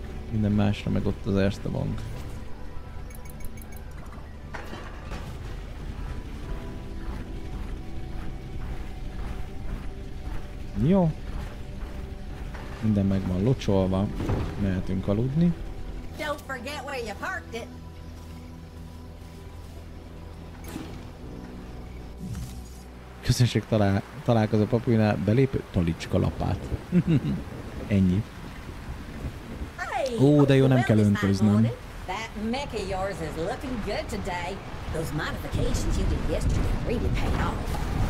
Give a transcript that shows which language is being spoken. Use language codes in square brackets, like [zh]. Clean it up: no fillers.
[hu] Minden másra meg ott az Erste Bank. Jó. Minden meg van locsolva, mehetünk aludni. [en] Don't forget where you parked it. [hu] Közönség találkozó papírnál belépő talicska lapát. Ennyi. Ó, de jó, nem kell öntöznöm. [en] That mech of yours is looking good today. Those modifications you did yesterday really pay off.